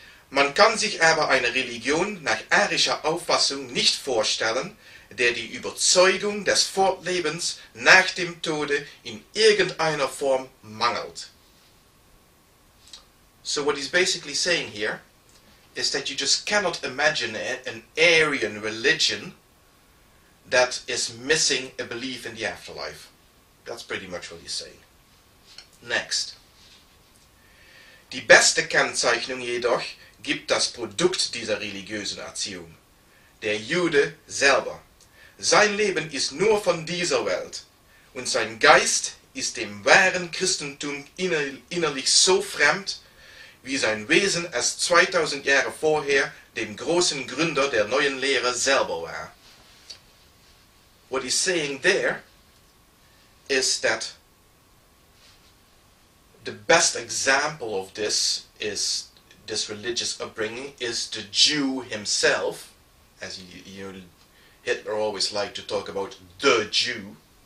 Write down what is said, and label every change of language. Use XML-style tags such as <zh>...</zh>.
<de>Man kann sich aber eine Religion nach arischer Auffassung nicht vorstellen, der die Überzeugung des Fortlebens nach dem Tode in irgendeiner Form mangelt.</de> <en>So what he's basically saying here is that you just cannot imagine an Aryan religion that is missing a belief in the afterlife. That's pretty much what he's saying. Next.</en> <de>Die beste Kennzeichnung jedoch gibt das Produkt dieser religiösen Erziehung, der Jude selber. Sein Leben ist nur von dieser Welt und sein Geist ist dem wahren Christentum innerlich so fremd, wie sein Wesen es 2000 Jahre vorher dem großen Gründer der neuen Lehre selber war.</de> <en>What he's saying there is that the best example of this is this religious upbringing is the Jew himself, as you know, Hitler always liked to talk about the Jew.</en>